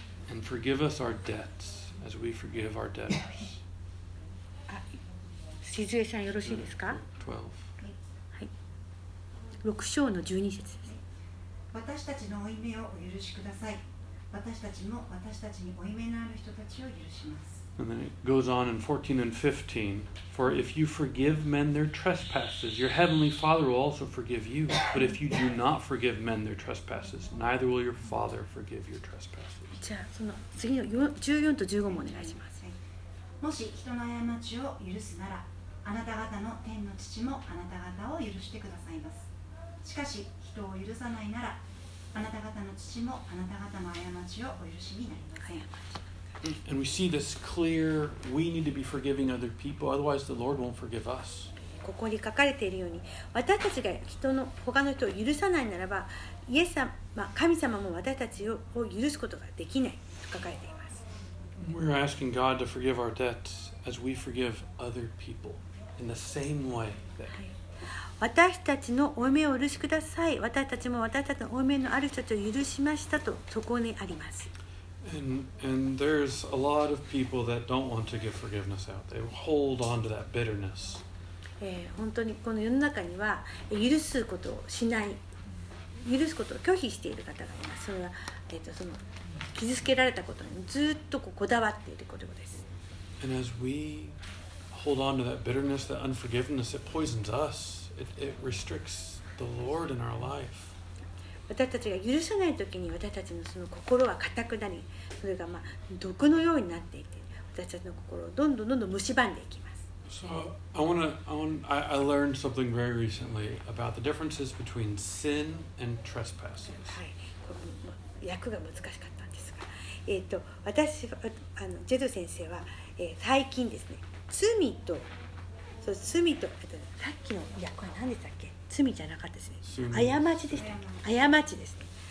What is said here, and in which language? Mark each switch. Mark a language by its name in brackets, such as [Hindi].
[English] And forgive us our debts as we forgive our debtors. [Japanese] 静江さんよろしいですか。 12、 6章の12節です。私たちの負い目をお許しください。私たちも私たちに負い目のある人たちを許します。 [English] And then it goes on in 14 and 15. For if you forgive men their trespasses, your heavenly Father will also forgive you. But if you do not forgive men their trespasses, neither will your Father forgive your trespasses. [Japanese] じゃあその次の14と15もお願いします。もし人の過ちを許すなら、あなた方の天の父もあなた方を許してくださいます。しかし人を許さないなら、あなた方の父もあなた方の過ちをお許しになりません。 [English] And we see this clear. We need to be forgiving other people, otherwise the Lord won't forgive us. [Japanese] ここに書かれているように、私たちが人の他の人を許さないならば、イエス様、神様も私たちを許すことができないと書かれています。 [English] We're asking God to forgive our debts as we forgive other people in the same way that. [Japanese] 私たちの負い目を許しください。私たちも私たちの負い目のある人たちを許しましたとそこにあります。 [English] And there's a lot of people that don't want to give forgiveness out. They hold on to that bitterness. [Japanese] 本当にこの世の中には許すことをしない、許すことを拒否している方がいます。それは、その傷つけられたことにずっと こだわっていることです。 [English] And as we hold on to that bitterness, that unforgiveness, it poisons us. It restricts the Lord in our life. [Japanese] 私たちが許さないときに私たち その心は固くなり、それがまあ毒のようになっていて、私たちの心をどんどんどんどん蝕んでいきます。 [English] So, I learned something very recently about the differences between sin and trespasses. [Japanese] はい、訳が難しかったんですが、私あのジェド先生は、最近ですね、罪と、そう罪と、あとさっきの訳は何でしたっけ？罪じゃなかったですね。過ちでした。過ちです、ね。